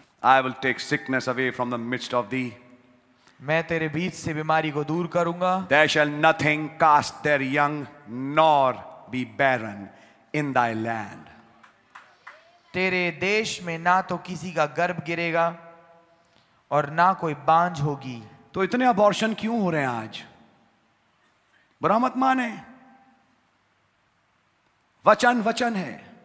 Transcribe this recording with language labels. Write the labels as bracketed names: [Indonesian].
[English] I will take sickness away from the midst of thee. [Hindi] मैं तेरे बीच से बीमारी को दूर करूंगा। [English] There shall nothing cast their young nor be barren in thy land. [Hindi] तेरे देश में ना तो किसी का गर्भ गिरेगा और ना कोई बांझ होगी। तो इतने अबॉर्शन क्यों हो रहे हैं आज? बुरा मत माने, वचन वचन है।